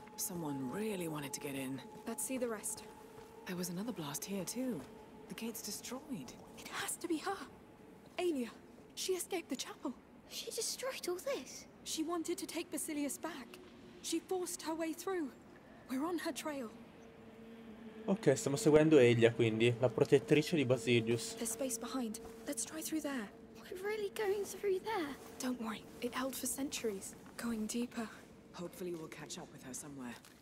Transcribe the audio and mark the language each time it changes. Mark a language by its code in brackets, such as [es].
[en] Someone really wanted to get in. Let's see the rest. There was another blast here too. The gate's destroyed. It has to be her. Aelia. She escaped the chapel. She destroyed all this. She wanted to take Basilius back. She forced her way through. We're on her trail. [it] Ok, stiamo seguendo Aelia, quindi, la protettrice di Basilius. [en] There's space behind. Let's try through there. We're really going through there. Don't worry. It held for centuries. Going deeper. Hopefully we'll catch up with her somewhere.